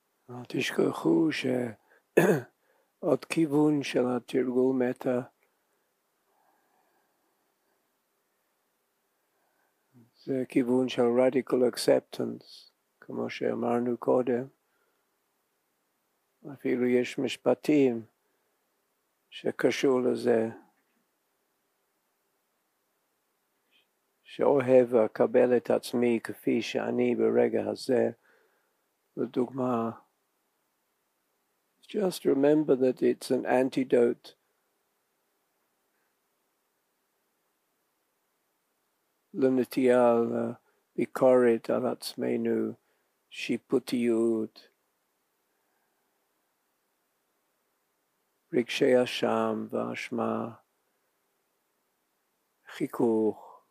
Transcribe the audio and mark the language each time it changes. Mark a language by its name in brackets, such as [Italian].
[Hebrew] אל תשכחו שעוד כיוון של התרגול מטה, זה כיוון של [English] radical acceptance, [Hebrew] כמו שאמרנו קודם. אפילו יש משפטים שקשור לזה, שאוהב לקבל את עצמי כפי שאני ברגע הזה. לדוגמה, [English] just remember that it's an antidote. [Hebrew] לנטייה לביקורת על עצמנו, שיפוטיות, רגשי אשם ואשמה, חיכוך,